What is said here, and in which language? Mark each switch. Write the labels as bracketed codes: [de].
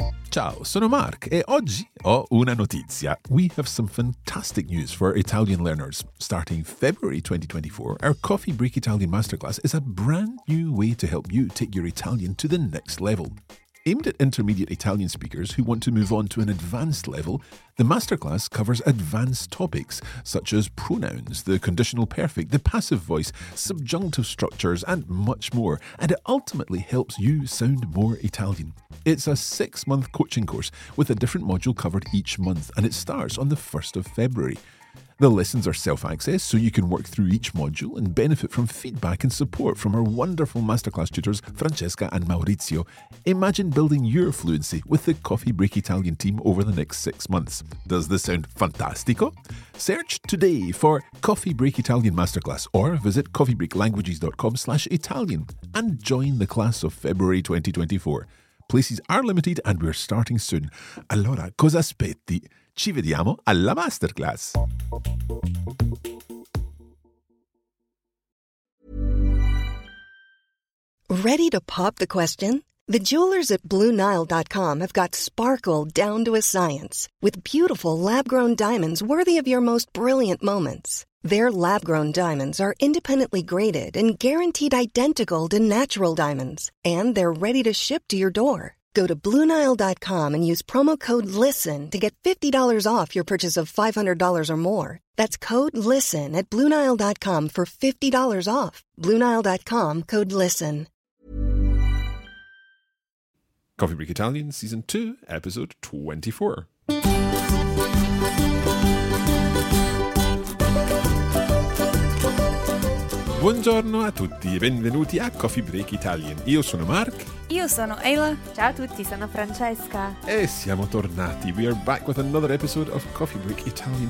[it] Ciao, sono Mark e oggi ho una notizia. [en] We have some fantastic news for Italian learners. Starting February 2024, our Coffee Break Italian Masterclass is a brand new way to help you take your Italian to the next level. Aimed at intermediate Italian speakers who want to move on to an advanced level, the masterclass covers advanced topics such as pronouns, the conditional perfect, the passive voice, subjunctive structures, and much more, and it ultimately helps you sound more Italian. It's a six-month coaching course with a different module covered each month, and it starts on the 1st of February. The lessons are self-access, so you can work through each module and benefit from feedback and support from our wonderful masterclass tutors, Francesca and Maurizio. Imagine building your fluency with the Coffee Break Italian team over the next 6 months. Does this sound fantastico? Search today for Coffee Break Italian Masterclass or visit coffeebreaklanguages.com/Italian and join the class of February 2024. Places are limited and we're starting soon. [it] Allora, cosa aspetti? Ci vediamo alla masterclass. [en] Ready to pop the question? The jewelers at BlueNile.com have got sparkle down to a science with beautiful lab-grown diamonds worthy of your most brilliant moments. Their lab-grown diamonds are independently graded and guaranteed identical to natural diamonds, and they're ready to ship to your door. Go to BlueNile.com and use promo code LISTEN to get $50 off your purchase of $500 or more. That's code LISTEN at BlueNile.com for $50 off. BlueNile.com, code LISTEN. Coffee Break Italian, Season 2, Episode 24. [it] Buongiorno a tutti e benvenuti a Coffee Break Italian. Io sono Mark. Io sono Ayla. Ciao a tutti, sono Francesca. E siamo tornati. [en] We are back with another episode of Coffee Break Italian.